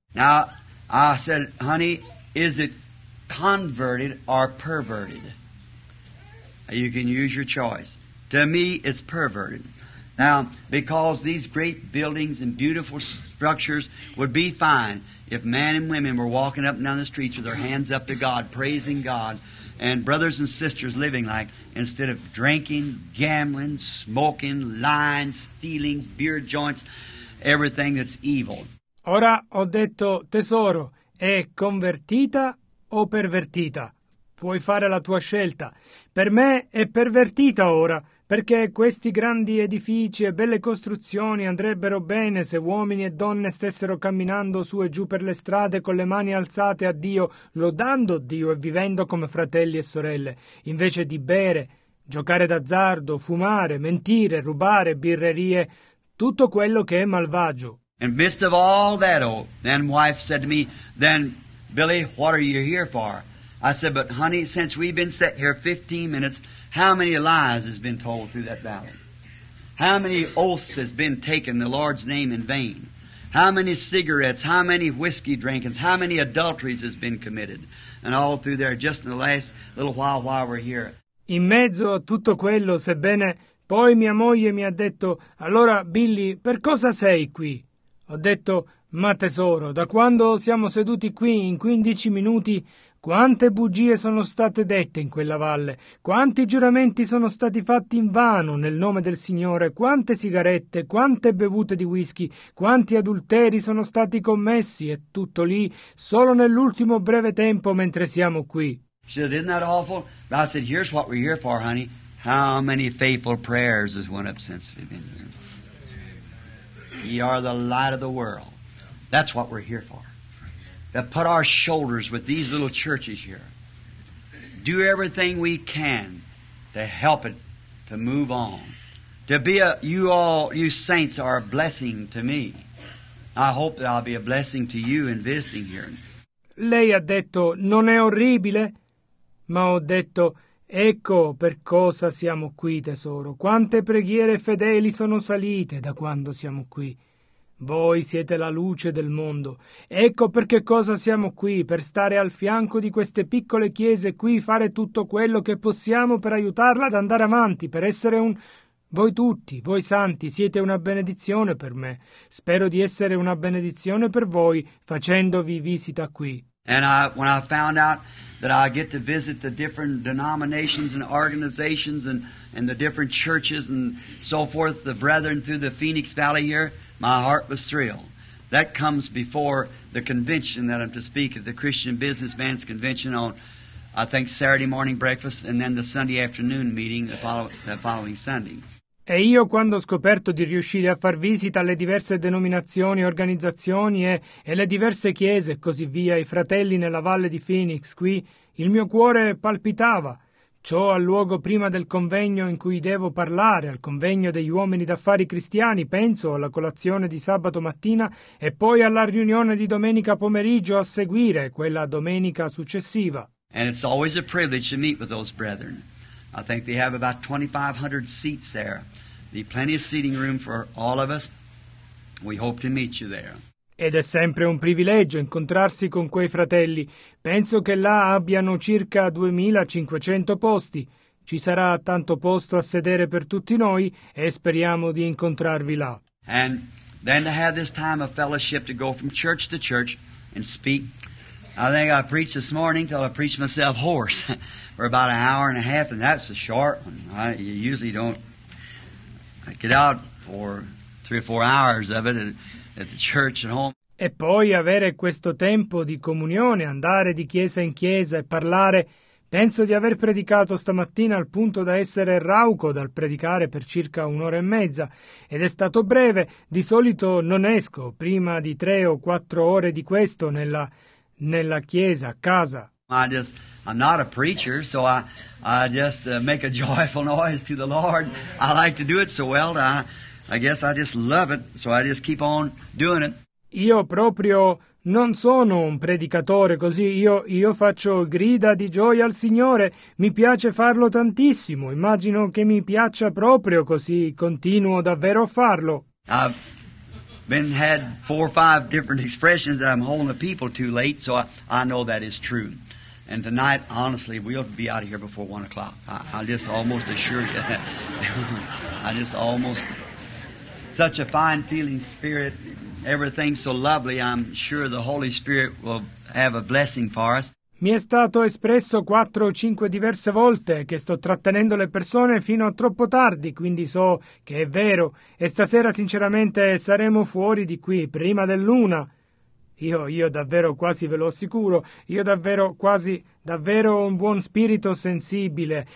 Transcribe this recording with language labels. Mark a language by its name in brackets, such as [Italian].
[English] Now, I said, honey, is it converted or perverted? You can use your choice. To me, it's perverted. Now, because these great buildings and beautiful structures would be fine if men and women were walking up and down the streets with their hands up to God, praising God, and brothers and sisters living like, instead of drinking, gambling, smoking, lying, stealing, beer joints, everything that's evil. [Italian] Ora ho detto, tesoro, è convertita o pervertita? Puoi fare la tua scelta. Per me è pervertita ora. Perché questi grandi edifici e belle costruzioni andrebbero bene se uomini e donne stessero camminando su e giù per le strade con le mani alzate a Dio, lodando Dio e vivendo come fratelli e sorelle, invece di bere, giocare d'azzardo, fumare, mentire, rubare, birrerie, tutto quello che è malvagio. [English] In midst of all that, oh, then wife said to me, then Billy, what are you here for? I said, but honey, since we've been set here 15 minutes, how many lies has been told through that valley? How many oaths has been taken the Lord's name in vain? How many cigarettes, how many whiskey drinkings, how many adulteries has been committed? And all through there, just in the last little while we're here. [Italian] In mezzo a tutto quello, sebbene poi mia moglie mi ha detto, allora Billy, per cosa sei qui? Ho detto, ma tesoro, da quando siamo seduti qui in 15 minuti, Quante bugie sono state dette in quella valle, quanti giuramenti sono stati fatti in vano nel nome del Signore, quante sigarette, quante bevute di whisky, quanti adulteri sono stati commessi, e tutto lì, solo nell'ultimo breve tempo mentre siamo qui. [English] She said, isn't that awful? But I said, here's what we're here for, honey. How many faithful prayers has went up since we've been here? Ye are the light of the world. That's what we're here for. To put our shoulders with these little churches here. Do everything we can to help it to move on. To be a, you all, you saints are a blessing to me. I hope that I'll be a blessing to you in visiting here. [Italian] Lei ha detto, non è orribile? Ma ho detto, ecco per cosa siamo qui, tesoro. Quante preghiere fedeli sono salite da quando siamo qui. Voi siete la luce del mondo. Ecco perché cosa siamo qui, per stare al fianco di queste piccole chiese qui, fare tutto quello che possiamo per aiutarla ad andare avanti, per essere un... Voi tutti, voi santi, siete una benedizione per me. Spero di essere una benedizione per voi facendovi visita qui. [English] And when I found out that I get to visit the different denominations and organizations and the different churches and so forth, the brethren through the Phoenix Valley here, my heart was thrilled. That comes before the convention that I'm to speak at, the Christian Businessman's Convention on, I think, Saturday morning breakfast, and then the Sunday afternoon meeting the following Sunday. [Italian] E io, quando ho scoperto di riuscire a far visita alle diverse denominazioni, organizzazioni e le diverse chiese e così via, i fratelli nella valle di Phoenix qui, il mio cuore palpitava. Ciò ha luogo prima del convegno in cui devo parlare, al convegno degli uomini d'affari cristiani, penso alla colazione di sabato mattina e poi alla riunione di domenica pomeriggio a seguire, quella domenica successiva. [English] And it's always a privilege to meet with those brethren. I think they have about 2,500 seats there. There's plenty of seating room for all of us. We hope to meet you there. [Italian] Ed è sempre un privilegio incontrarsi con quei fratelli. Penso che là abbiano circa 2,500 posti. Ci sarà tanto posto a sedere per tutti noi e speriamo di incontrarvi là. [English] And then to have this time of fellowship to go from church to church and speak. I think I preached this morning till I preached myself hoarse for about an hour and a half, and that's a short one. You usually don't get out for 3 or 4 hours of it at the church at home. [Italian] E poi avere questo tempo di comunione, andare di chiesa in chiesa e parlare. Penso di aver predicato stamattina al punto da essere rauco dal predicare per circa un'ora e mezza, ed è stato breve. Di solito non esco prima di 3 o 4 ore di questo nella chiesa, a casa. [English] I'm not a preacher, so I just make a joyful noise to the Lord. I like to do it so well that I guess I just love it, so I just keep on doing it. [Italian] Io proprio non sono un predicatore, così io faccio grida di gioia al Signore. Mi piace farlo tantissimo, immagino che mi piaccia proprio così, continuo davvero a farlo. [English] Been had 4 or 5 different expressions that I'm holding the people too late, so I know that is true. And tonight, honestly, we'll be out of here before 1 o'clock. I just almost assure you. I just almost, such a fine feeling spirit, everything so lovely, I'm sure the Holy Spirit will have a blessing for us. [Italian] Mi è stato espresso 4 o 5 diverse volte che sto trattenendo le persone fino a troppo tardi, quindi so che è vero. E stasera, sinceramente, saremo fuori di qui prima dell'1. Io davvero quasi ve lo assicuro, io davvero quasi, davvero un buon spirito sensibile.